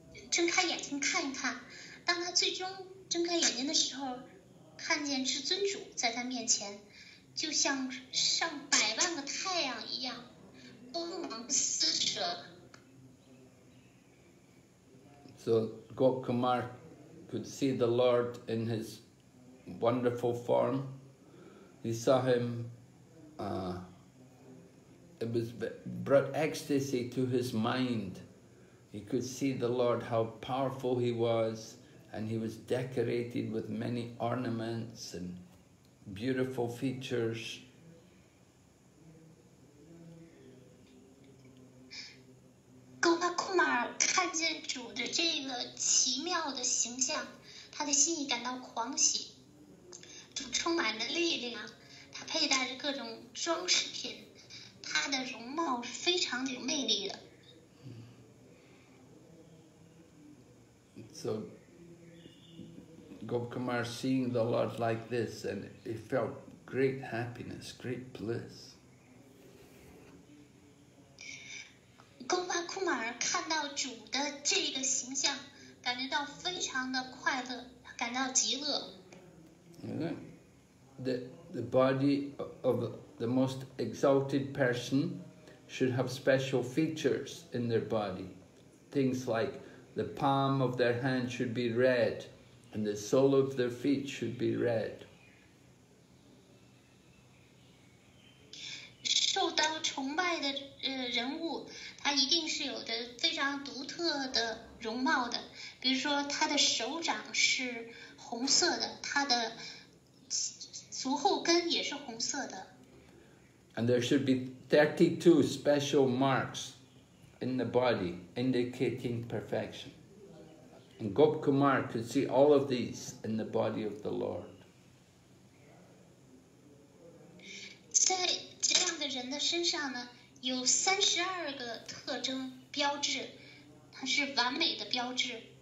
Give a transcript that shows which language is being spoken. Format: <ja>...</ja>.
<zh>睁开眼睛看一看，当他最终睁开眼睛的时候，看见至尊主在他面前，就像上百万个太阳一样，光芒四射。</zh> <en>So Gop Kumar could see the Lord in his wonderful form. He saw him it was brought ecstasy to his mind. He could see the Lord, how powerful he was, and he was decorated with many ornaments and beautiful features.</en> <zh>Gopakumar 看见主的这个奇妙的形象，他的心里感到狂喜。主充满了力量，他佩戴着各种装饰品，他的容貌是非常有魅力的。</zh> <en>So, Gopakumar seeing the Lord like this, and he felt great happiness, great bliss.</en> <zh>Gopakumar 看到主的这个形象，感觉到非常的快乐，感到极乐。</zh> <en>The body of the most exalted person should have special features in their body, things like. The palm of their hand should be red, and the sole of their feet should be red.</en> <zh>受到崇拜的人物，他一定是有着非常独特的容貌的。比如说，他的手掌是红色的，他的足后跟也是红色的。</zh> <en>And there should be 32 special marks in the body, indicating perfection. And Gopakumar could see all of these in the body of the Lord.</en> <zh>在这样的人的身上呢，有32个特征标志，它是完美的标志。</zh>